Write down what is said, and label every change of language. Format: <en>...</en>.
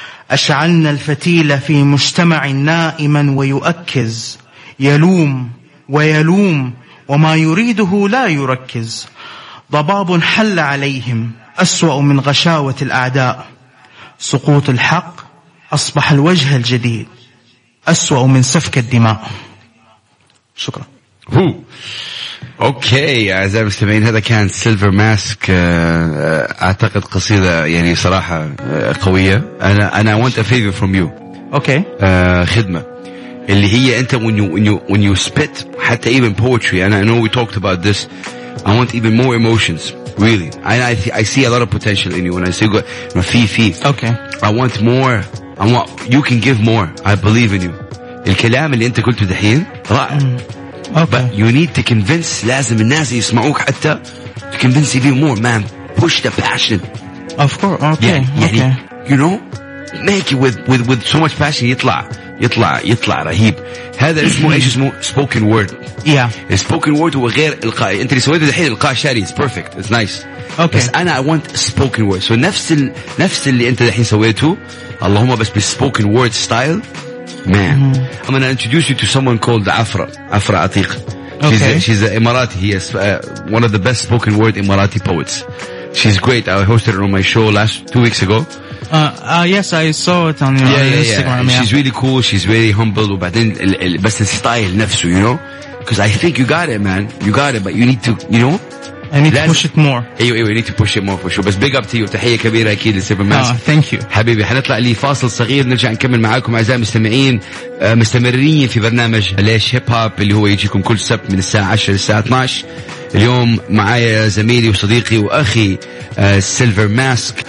<ar>أشعلنا الفتيل في مجتمع نائما ويؤكز يلوم ويلوم وما يريده لا يركز ضباب حل عليهم أسوأ من غشاوة الأعداء سقوط الحق أصبح الوجه الجديد أسوأ من سفك الدماء شكرا هو اوكي اعزائي المستمعين هذا كان سيلفر ماسك اعتقد قصيده يعني صراحه قويه</ar> <en>so وانت favour from you okay</en> <ar>خدمه اللي هي انت</ar> <en>when you spit</en> <ar>حتى</ar> <en>even poetry and I know we talked about this I want even more emotions really I see a lot of potential in you when I say okay I want more I want you can give more I believe in you</en> <ar>الكلام اللي انت قلته دحين رائع.</ar> <en>Okay. You need to convince,</en> <ar>لازم الناس يسمعوك حتى</ar> <en>to convince you more, man. Push the passion. Of course. Okay. Yeah.</en> <ar>يعني,</ar> <en>okay. You know, make it with so much passion.</en> <ar>يطلع يطلع يطلع رهيب. هذا اسمه إيش اسمه spoken word.</ar> <en>Yeah.</en> <ar>Spoken word هو غير القاء. أنت اللي سويته دحين القاء شاري.</ar> <en>It's perfect. It's nice. Okay.</en> <ar>بس أنا</ar> <en>I want spoken word. So</en> <ar>نفس اللي أنت دحين سويته. اللهم بس بال</ar> <en>spoken word style. Man, mm-hmm. I'm gonna introduce you to someone called Afra. Afra Atiq. She's okay. She's an Emirati. He is one of the best spoken word Emirati poets. She's great. I hosted her on my show last 2 weeks ago. Yes, I saw it on your Instagram. She's really cool. She's very humble. But then, but the style, nafsu, you know, because I think you got it, man. You got it, but you need to, you know. I need to push it more.</en> <ar>ايوه ايوه</ar> <en>need to push it more for sure.</en> <ar>بس</ar> <en>big up to you.</en> <ar>تحية كبيرة اكيد لسيبر ماس.</ar> <en>Thank you.</en> <ar>حبيبي حنطلع لي فاصل صغير نرجع نكمل معاكم اعزائي المستمعين مستمرين في برنامج ليش هيب هوب اللي هو يجيكم كل سبت من الساعة 10 للساعة 12. اليوم معايا زميلي وصديقي واخي سيلفر ماسك.</ar>